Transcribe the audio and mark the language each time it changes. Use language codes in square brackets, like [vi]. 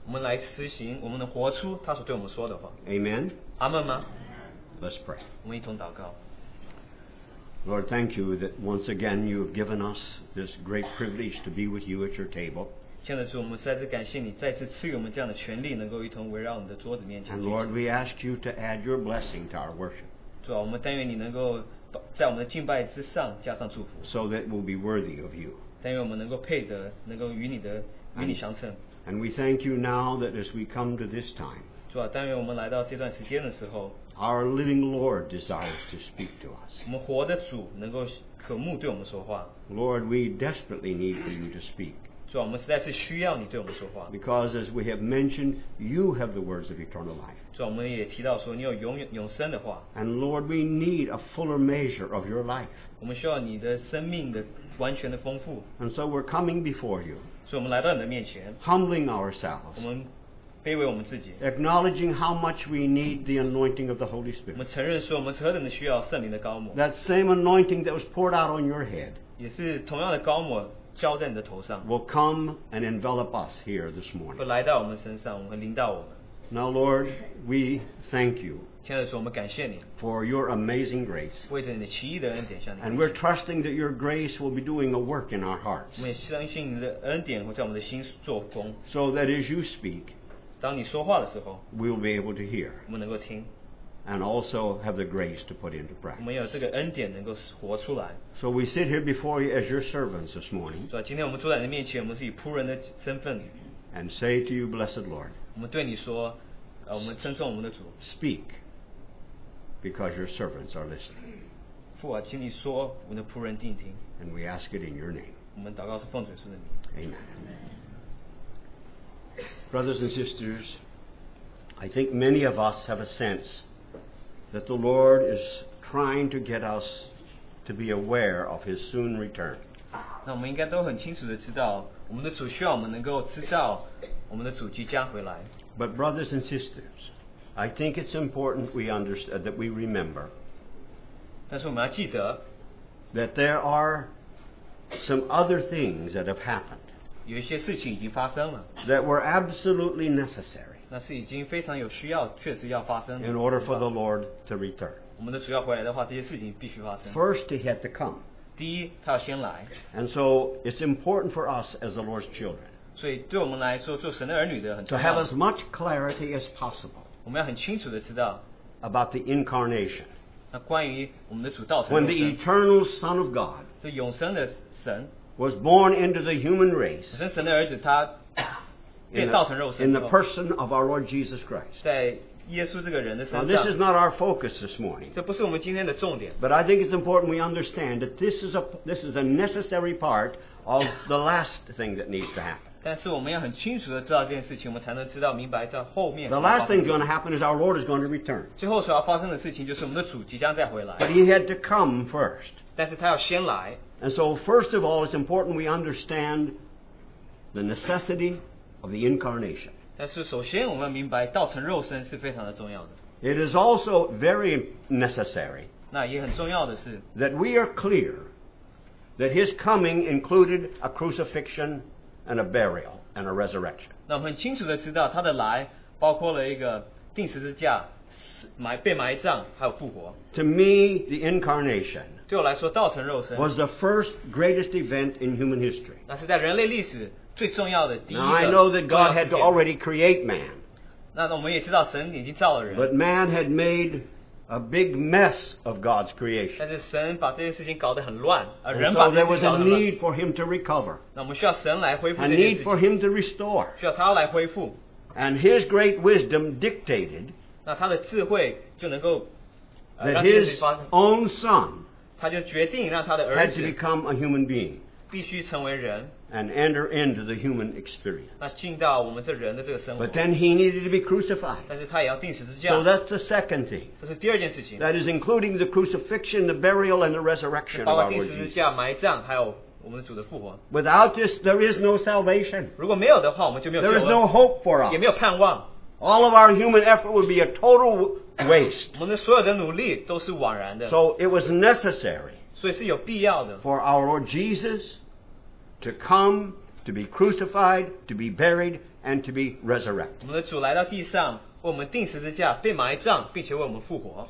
[zh] 我们来实行，我们能活出他所对我们说的话。 [en] Amen. [zh] 阿门吗 [en] ？Let's pray. [zh] 我们一同祷告。 [en] Lord, thank you that once again you have given us this great privilege to be with you at your table. [zh] 现在主，我们再次感谢你，再次赐予我们这样的权利，能够一同围绕我们的桌子面前。 [en] And Lord, we ask you to add your blessing to our worship. [zh] 主啊，我们但愿你能够在我们的敬拜之上加上祝福。 [en] So that we'll be worthy of you. [zh] 但愿我们能够配得，能够与你的与你相称。 [en] And we thank you now that as we come to this time, [zh] 主啊，当我们来到这段时间的时候， [en] our living Lord desires to speak to us. [zh] 我们活的主能够渴慕对我们说话。 [en] Lord, we desperately need for you to speak. [zh] 主啊，我们实在是需要你对我们说话。 [en] Because as we have mentioned, you have the words of eternal life. [zh] 主啊，我们也提到说你有永生的话。 [en] And Lord, we need a fuller measure of your life. [zh] 我们需要你的生命的完全的丰富。 [en] And so we're coming before you. [zh] 所以我们来到你的面前 [en] humbling ourselves [zh] 我们卑微我们自己 [en] acknowledging how much we need the anointing of the Holy Spirit [zh] 我们承认说我们何等的需要圣灵的膏抹 [en] that same anointing that was poured out on your head [zh] 也是同样的膏抹浇在你的头上 [en] will come and envelop us here this morning [zh] 会来到我们身上我们临到我们 [en] now Lord we thank you [zh] 亲爱的主我们感谢你 [en] for your amazing grace [zh] 为着你的奇异的恩典向你 [en] and we're trusting that your grace will be doing a work in our hearts [zh] 我们也相信你的恩典会在我们的心做工 [en] so that as you speak [zh] 当你说话的时候 [en] we'll be able to hear [zh] 我们能够听 [en] and also have the grace to put into practice [zh] 我们有这个恩典能够活出来 [en] so we sit here before you as your servants this morning [zh] 主啊今天我们坐在你的面前我们是以仆人的身份 [en] and say to you blessed Lord [zh] 我们对你说我们称颂我们的主 [en] speak because your servants are listening. [zh] 父啊，请你说，我们的仆人定听。 [en] And we ask it in your name. [zh] 我们祷告是奉主耶稣的名。 [en] Amen. Brothers and sisters, I think many of us have a sense that the Lord is trying to get us to be aware of His soon return. [zh] 那我们应该都很清楚的知道，我们的主需要我们能够知道，我们的主即将回来。 [en] But brothers and sisters, I think it's important we understand that we remember. [zh] 但是我们要记得 [en] that there are some other things that have happened. [zh] 有一些事情已经发生了 [en] that were absolutely necessary. [zh] 那是已经非常有需要，确实要发生了 [en] in order for the Lord to return. [zh] 我们的主要回来的话，这些事情必须发生 [en] First, He had to come. [zh] 第一，他要先来 [en] And so it's important for us as the Lord's children. [zh] 所以对我们来说，做神的儿女的很重要 [en] to have as much clarity as possible. [zh] 我们要很清楚地知道 [en] about the incarnation [zh] 那关于我们的主道成肉 [en] when the eternal son of God [zh] 这永生的神 [en] was born into the human race [zh] 神神的儿子他变道成肉身 [en] in the person of our Lord Jesus Christ [zh] 在耶稣这个人的身上 [en] Now this is not our focus this morning [zh] 这不是我们今天的重点 [en] but I think it's important we understand that this is a necessary part of the last thing that needs to happen The last thing that's going to happen is our Lord is going to return. But He had to come first. And so first of all, it's important we understand the necessity of the incarnation. It is also very necessary that we are clear that His coming included a crucifixion and a burial. And a resurrection. [zh] 那我们很清楚的知道，他的来包括了一个钉十字架、被埋葬，还有复活。 [en] To me, the incarnation [zh] 对我来说，道成肉身 [en] was the first greatest event in human history. [zh] 那是在人类历史最重要的第一个重要事件。 [en] Now I know that God had to already create man. [zh] 那我们也知道，神已经造了人。 [en] But man had made a big mess of God's creation. [zh] 但是神把这件事情搞得很乱，而人把这件事情搞得乱。 [en] So there was a need for Him to recover. [zh] 那我们需要神来恢复这件事情。 [en] A need for Him to restore. [zh] 需要他来恢复。 [en] And His great wisdom dictated. [zh] 那他的智慧就能够让这件事情发生。 [en] That His own Son. [zh] 他就决定让他的儿子。 [en] Had to become a human being. [zh] 必须成为人。 [en] And enter into the human experience. [zh] 那进到我们这人的这个生活。 [en] But then he needed to be crucified. [zh] 但是他也要钉十字架。 [en] So that's the second thing. [zh] 这是第二件事情。 [en] That is including the crucifixion, the burial, and the resurrection of our Lord Jesus. [zh] 包括钉十字架、埋葬，还有我们主的复活。 [en] Without this, there is no salvation. [zh] 如果没有的话，我们就没有救恩。 [en] There is no hope for us. [zh] 也没有盼望。 [en] All of our human effort would be a total waste. [zh] 我们的所有的努力都是枉然的。 [en] So it was necessary. [zh] 所以是有必要的。 [en] For our Lord Jesus. To come, to be crucified, to be buried, and to be resurrected. [zh] 我们的主来到地上，为我们钉十字架，被埋葬，并且为我们复活。